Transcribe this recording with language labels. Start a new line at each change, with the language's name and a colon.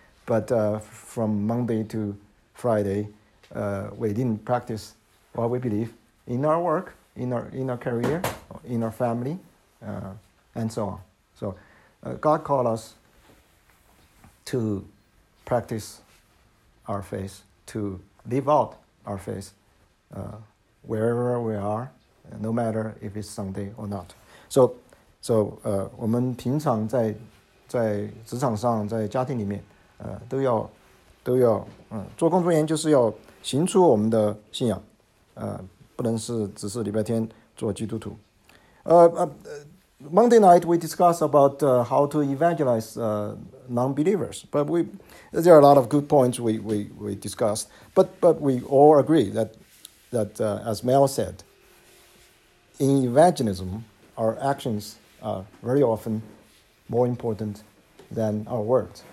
English: But from Monday to Friday, we didn't practice what we believe in our work, in our career, in our family, and so on. So God called us to practice our faith, to live out our faith wherever we are, no matter if it's Sunday or not. So
Chinese: 我们平常在职场上在家庭里面 都要做工作人员就是要 行出我们的信仰, 不能是只是礼拜天做基督徒。
English: Monday night we discussed about how to evangelize non-believers, but there are a lot of good points we discussed. But we all agree that as Mel said, in evangelism, our actions are very often more important than our words.